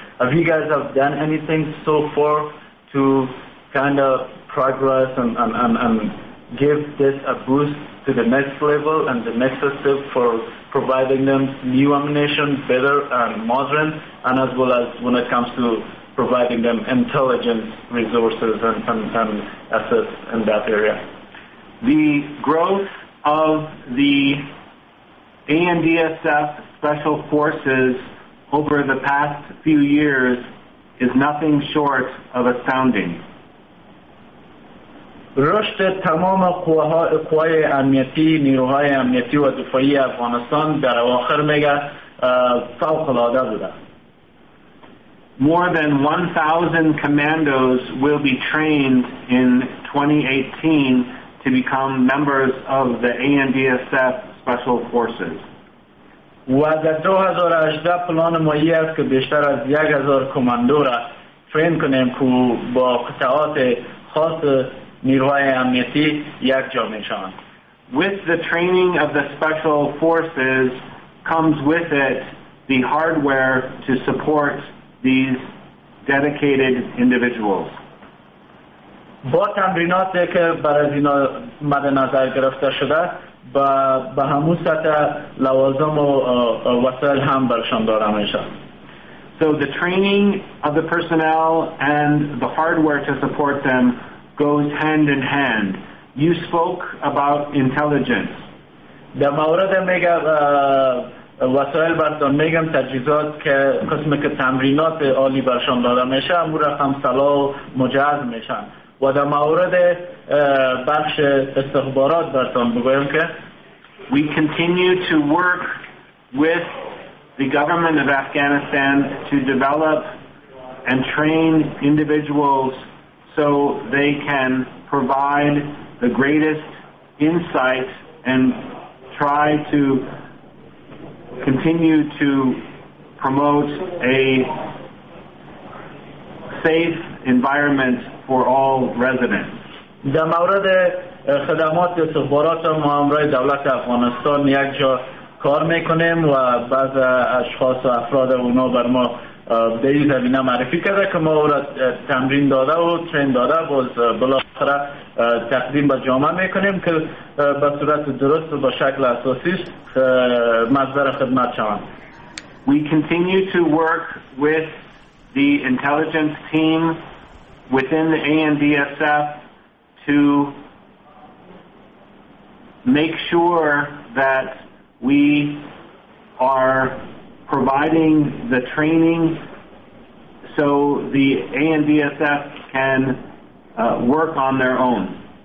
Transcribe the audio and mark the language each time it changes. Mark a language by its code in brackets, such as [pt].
[en] Have you guys have done anything so far to kind of progress and give this a boost to the next level and the next step for providing them new ammunition, better and modern, and as well as when it comes to providing them intelligence resources and assets in that area? The growth of the ANDSF Special Forces over the past few years is nothing short of astounding. [fa] رشد تمام قوای امنیتی نیروهای امنیتی و دفاعی افغانستان در آخر میگه فوق العاده بوده. [en] More than 1,000 commandos will be trained in 2018 to become members of the ANDSF Special Forces. [fa] و در 2018 پلان مایی است که بیشتر از 1,000 کماندو را ترین کنیم که با قطعات خاص نیروهای امنیتی یک جا میشن. [en] With the training of the special forces comes with it the hardware to support these dedicated individuals. [fa] با تمریناتی که برای اینا مد نظر گرفته شده با به همون سطح لوازم و وسایل هم برشان داره میشن. [en] So the training of the personnel and the hardware to support them goes hand in hand. You spoke about intelligence. [fa] در مورد میگه وسایل برشان میگم تجهیزات که قسمی که تمرینات عالی برشان داده میشه امور رقم سلاح مجهز میشن و در مورد بخش استخبارات برشان بگویم که [en] We continue to work with the government of Afghanistan to develop and train individuals so they can provide the greatest insight and try to continue to promote a safe environment for all residents. [fa] در مورد خدمات استخبارات ما همراه دولت افغانستان یک جا کار میکنیم و بعض اشخاص و افراد اونا بر ما به این زمینه معرفی کرده که ما او را تمرین داده و ترین داده باز بالاخره تقدیم به جامعه میکنیم که به صورت درست و با شکل اساسیش مصدر خدمت شوند. [en] We continue to work with the intelligence team within the ANDSF to make sure that we are providing the training so the ANDSF can work on their own.